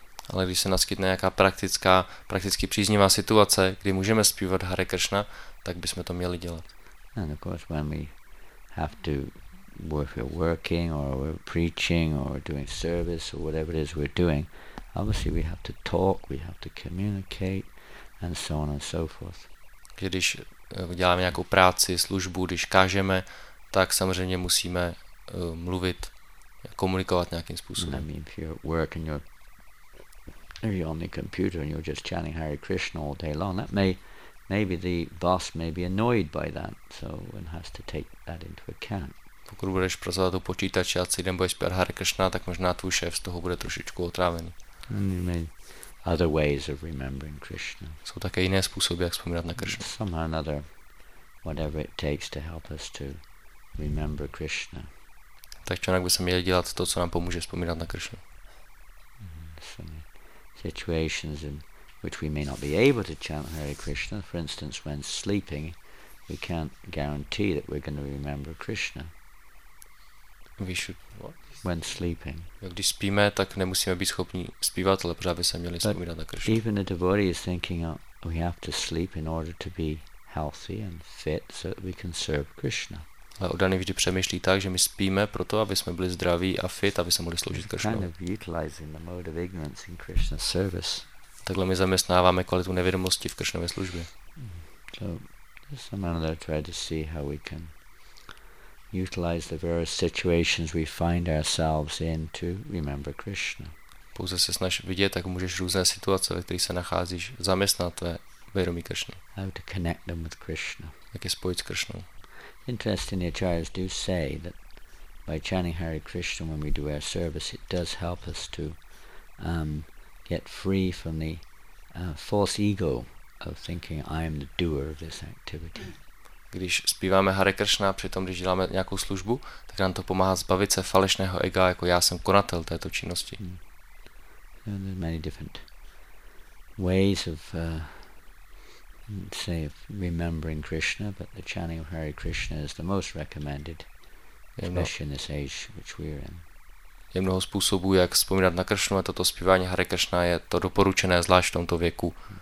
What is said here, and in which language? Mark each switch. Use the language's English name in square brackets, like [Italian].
[Czech] Ale když se naskytne nějaká prakticky příznivá situace, kdy můžeme zpívat Hare Krishna, tak bychom to měli dělat. [English] And of course when we have to, if we're working or we're preaching or doing service or whatever it is we're doing, obviously we have to talk, we have to communicate and so on and so forth. [Czech] Když děláme nějakou práci, službu, když kážeme, tak samozřejmě musíme mluvit, komunikovat nějakým způsobem. [English] I mean, if you're at work and you're on the computer and you're just chanting Hare Krishna all day long, that maybe the boss may be annoyed by that, so one has to take that into account. [Czech] Pokud budeš pracovat u počítače a celý den budeš zpívat Hare Krishna, tak možná tvůj šéf z toho bude trošičku otrávený. [English] Other ways of remembering Krishna. [Czech] Jsou také jiné způsoby, jak vzpomínat na Krishnu. [English] Somehow another, whatever it takes to help us to remember Krishna. [Czech] Tak člověk by se měl dělat to, co nám pomůže vzpomínat na Krishnu. [English] Some situations in which we may not be able to chant Hare Krishna, for instance, when sleeping, we can't guarantee that we're going to remember Krishna. We should, what? When sleeping. [Czech] Jo, když spíme, tak nemusíme být schopni zpívat, ale pořád by se měli vzpomínat na Krishnu. [English] Even the devotee is thinking, oh, we have to sleep in order to be healthy and fit so that we can serve Krishna. [Czech] Ale oddaný vždy přemýšlí tak, že my spíme proto, aby jsme byli zdraví a fit, aby se mohli sloužit Krishnu. [English] Kind of utilizing the mode of ignorance in Krishna's service. [Czech] Takhle my zaměstnáváme kvalitu nevědomosti v Krishnově službě. [English] So, just a moment I try to see how we can utilize the various situations we find ourselves in to remember Krishna. [Czech] Pouze se snaž vidět, jak můžeš různé situace, ve kterých se nacházíš, zaměstnat tvé vědomí Krishna. [English] How to connect them with Krishna. [Czech] Jak je spojit s Krishnou. [English] Interesting, the acharyas do say that by chanting Hare Krishna when we do our service, it does help us to get free from the false ego of thinking I am the doer of this activity. [Czech] Když zpíváme Hare Krishna, přitom když děláme nějakou službu, tak nám to pomáhá zbavit se falešného ega, jako já jsem konatel této činnosti. [English] And there are many different ways of say of remembering Krishna, but the chanting of Hare Krishna is the most recommended, especially in this age which we are in. [Czech] Je mnoho způsobů, jak vzpomínat na Krishnu, a toto zpívání Hare Krishna je to doporučené, zvlášť v tomto věku.